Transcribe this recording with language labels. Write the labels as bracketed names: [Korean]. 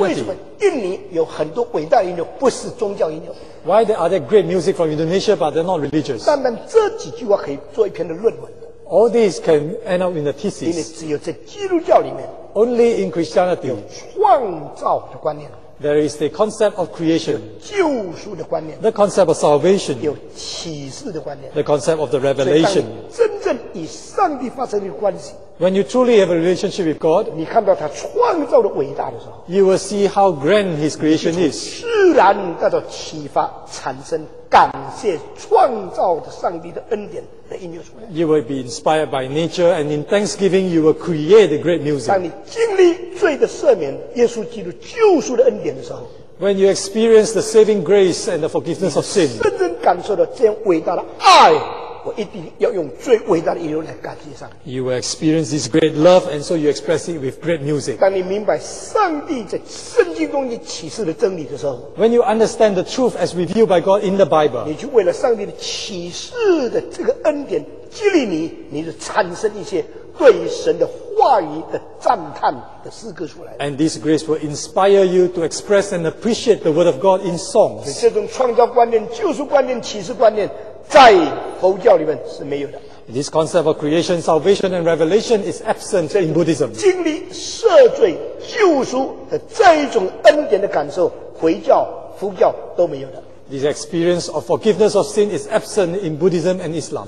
[Chinese] 为什么印尼有很多伟大的音乐不是宗教音乐？ [English] Why are there great music from Indonesia but they're not religious? [Chinese] 单单这几句话可以做一篇的论文。 [English] All these can end up in a thesis. [Chinese] 因为只有在基督教里面， [English] Only in Christianity. [Chinese] 有创造的观念。 [English] There is the concept of creation. [Chinese] 有救赎的观念。 [English] The concept of salvation. [Chinese] 有启示的观念。 [English] The concept of the revelation. [Chinese] 真正与上帝发生的关系。 [English] When you truly have a relationship with God, [Chinese] 你看到他创造的伟大的时候， [English] you will see how grand his creation is. [Chinese] 自然得到启发，产生感谢创造的上帝的恩典的音乐出来。 [English] You will be inspired by nature, and in thanksgiving, you will create the great music. [Chinese] 当你经历罪的赦免、耶稣基督救赎的恩典的时候， [English] when you experience the saving grace and the forgiveness of sin, [Chinese] 你深深感受到这样伟大的爱。我一定要用最伟大的音乐来感谢上帝。 [English] You will experience this great love, and so you express it with great music. [Chinese] 当你明白上帝在圣经中间启示的真理的时候， [English] When you understand the truth as revealed by God in the Bible, [Chinese] 你就为了上帝的启示的这个恩典激励你，你就产生一些对于神的话语的赞叹的诗歌出来。 [English] And this grace will inspire you to express and appreciate the word of God in songs. [Chinese] 所以这种创造观念、救赎观念、启示观念。在佛教里面是没有的。 [English] This concept of creation, salvation, and revelation is absent in Buddhism. [Chinese] 经历赦罪、救赎的这一种恩典的感受，回教、佛教都没有的。 [English] the experience of forgiveness of sin is absent in Buddhism and Islam.